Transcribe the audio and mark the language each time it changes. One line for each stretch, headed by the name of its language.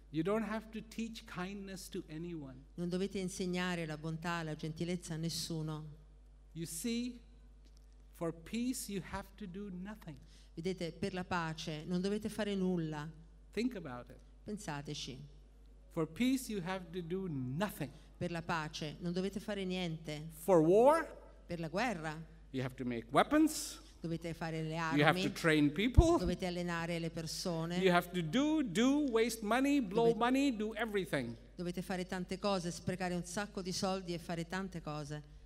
English: You don't have to teach kindness to anyone.
Italian: Non dovete insegnare la bontà, la gentilezza a nessuno.
English: You see, for peace you have to do nothing.
Italian: Vedete, per la pace non dovete fare nulla.
English: Think about it.
Italian: Pensateci.
English: For peace you have to do nothing.
Italian: Per la pace non dovete fare niente.
English: For war?
Italian: Per la guerra.
English: You have to make weapons.
Italian: Dovete fare le armi.
English: You have to train people.
Italian: Dovete allenare le persone.
English: You have to do waste money, blow money, do everything.
Italian: Dovete fare tante cose, sprecare un sacco di soldi e fare tante cose.